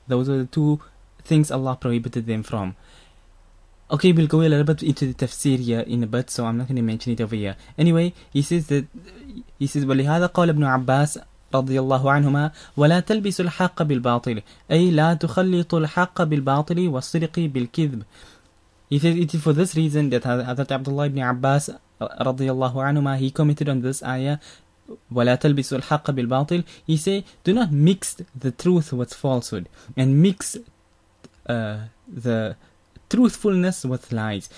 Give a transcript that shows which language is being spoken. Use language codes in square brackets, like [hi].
[en] Those are the two things Allah prohibited them from. Okay, we'll go a little bit into the tafsir here in a bit, so I'm not going to mention it over here. Anyway, he says, [ar] وَلِهَذَا قَالَ ابْنُ عَبَّاسِ رضي الله عنهما ولا تلبس الحق بالباطل أي لا تخلط الحق بالباطل والصدق بالكذب. [en] He says it is for this reason that Hazrat Abdullah ibn Abbas رضي الله عنهما, he commented on this ayah, [ar] ولا تلبس الحق بالباطل. [en] He say, do not mix the truth with falsehood and mix the truthfulness with lies.